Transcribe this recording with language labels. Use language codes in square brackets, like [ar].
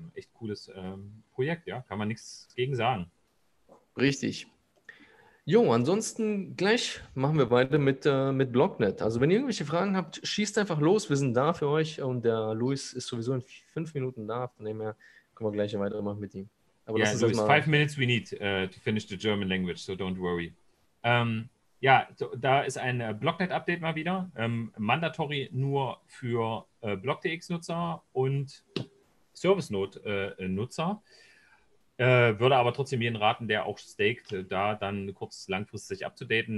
[de] Echt cooles Projekt, ja, kann man nichts gegen sagen. Richtig. Jo, ansonsten gleich machen wir weiter mit Blocknet. Also wenn ihr irgendwelche Fragen habt, schießt einfach los. Wir sind da für euch und der Luis ist sowieso in 5 Minuten da. Von dem her können wir gleich weitermachen mit ihm. Aber Ja, lass uns Louis, erstmal. [en] 5 minutes we need to finish the German language, so don't worry. [de] Ja, so, da ist ein Blocknet-Update mal wieder. Mandatory nur für Block.tx-Nutzer und ServiceNode-Nutzer. Würde aber trotzdem jeden raten, der auch staked, da dann kurz langfristig abzudaten.